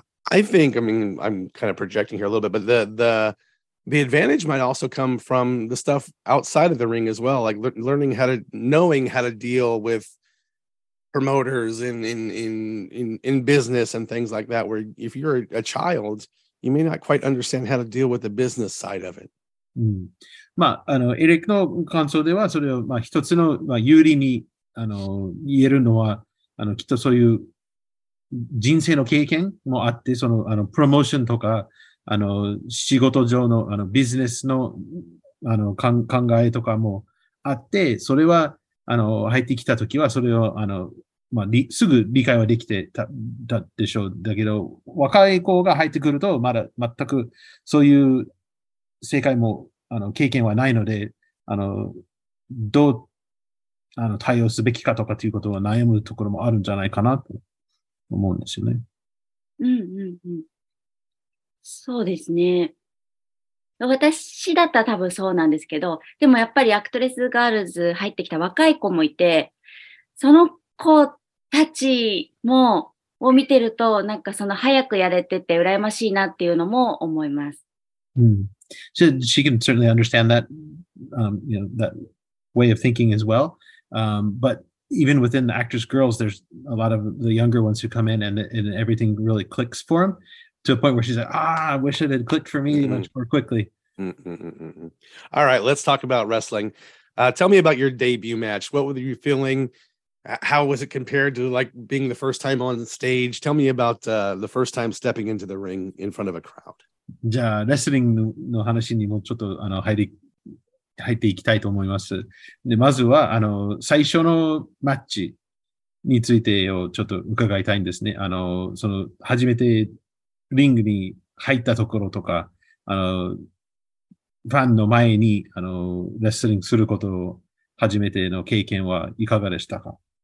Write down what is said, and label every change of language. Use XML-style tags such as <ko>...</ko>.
<en>I think, I'm kind of projecting here a little bit, but the advantage might also come from the stuff outside of the ring as well, like knowing how to deal with promoters in business and things like that, where if you're a child, you may not quite understand how to deal with the business side of it.</en> <ja>まあ、エレックの感想では、それを、まあ、一つの、まあ、有利に、言えるのは、きっとそういう、人生の経験もあって、その、あの、プロモーションとか、あの、仕事上の、あの、ビジネスの、あの、考えとかもあって、それは、あの、入ってきたときは、それを、あの、まあ、すぐ理解はできてたでしょう。だけど、若い子が入ってくると、まだ全く、そういう、正解も、あの、経験はないので、あの、どう、あの、対応すべきかとかということは悩むところもあるんじゃないかなと思うんですよね。うんうんうん。そうですね。私だったら多分そうなんですけど、でもやっぱりアクトレスガールズ入ってきた若い子もいて、その子たちも、を見てると、なんかその早くやれてて羨ましいなっていうのも思います。うん。</ja> <en>So she can certainly understand that, you know, that way of thinking as well. But even within the Actwres girls, there's a lot of the younger ones who come in and everything really clicks for them to a point where she's like, ah, I wish it had clicked for me much more quickly. Mm-hmm. All right, let's talk about wrestling. Tell me about your debut match. What were you feeling? How was it compared to like being the first time on stage? Tell me about the first time stepping into the ring in front of a crowd.</en> <ja>じゃあ、レスリングの話にもちょっと、あの、入っていきたいと思います。で、まずは、あの、最初のマッチについてをちょっと伺いたいんですね。あの、その、初めてリングに入ったところとか、あの、ファンの前に、あの、レスリングすることを初めての経験はいかがでしたか？</ja>